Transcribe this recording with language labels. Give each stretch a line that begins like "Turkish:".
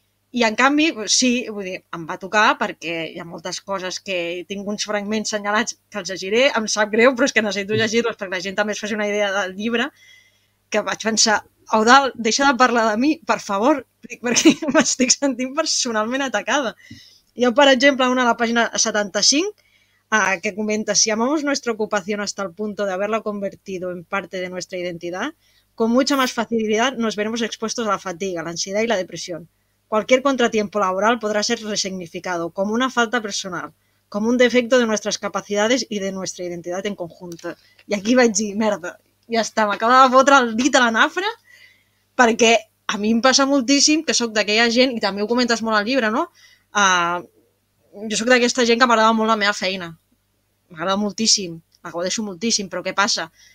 Catalan: I, en canvi, sí, vull dir, em va tocar perquè hi ha moltes coses que tinc uns fragments senyalats que els llegiré, em sap greu, però és que necessito llegir-los perquè la gent també es faci una idea del llibre, que vaig pensar, Eudald, deixa de parlar de mi, per favor, perquè m'estic sentint personalment atacada. Jo, per exemple, una a la pàgina 75, que comenta,
Spanish: si amamos nuestra ocupación hasta el punto de haberla convertido en parte de nuestra identidad, con mucha más facilidad nos veremos expuestos a la fatiga, la ansiedad y la depresión. Cualquier contratiempo laboral podrá ser resignificado como una falta personal, como un defecto de nuestras capacidades y de nuestra identidad en conjunto.
Catalan: I aquí vaig dir, merda, ja està, m'acaba de fotre el dit a la nafra, perquè a mi em passa moltíssim que sóc d'aquella gent, i també ho comentes molt al llibre, no? Jo sóc d'aquesta gent que m'agrada molt la meva feina. M'agrada moltíssim, la gaudeixo moltíssim, però què passa?